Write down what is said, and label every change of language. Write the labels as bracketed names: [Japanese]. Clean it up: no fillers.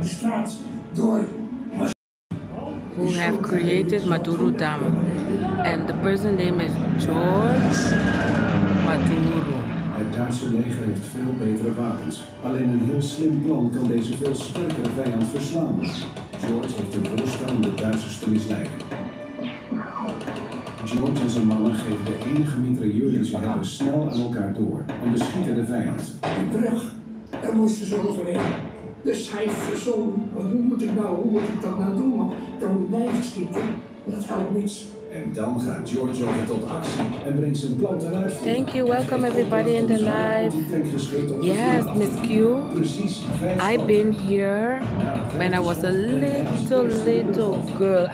[English] Who have created Madurodam, and the person name is George Maduro. [Dutch] Het Duitse leger heeft veel betere wapens. Alleen een heel slim plan kan deze veel sterkere vijand verslaan. George heeft een voorstel om de Duitsers te misleiden. George en zijn mannen geven de enige mitrailleur die ze hebben snel aan elkaar door en beschieten de vijand. Daar moesten ze overheen. Dus hij verzon, hoe moet ik dat nou doen? Want dan moet mij verschieten. Dat helpt niets. En dan gaat George over tot actie en brengt zijn plan ten uitvoer. [English] Thank you, welcome everybody in the live. Yes, Miss Q. I've been here when I was a little girl.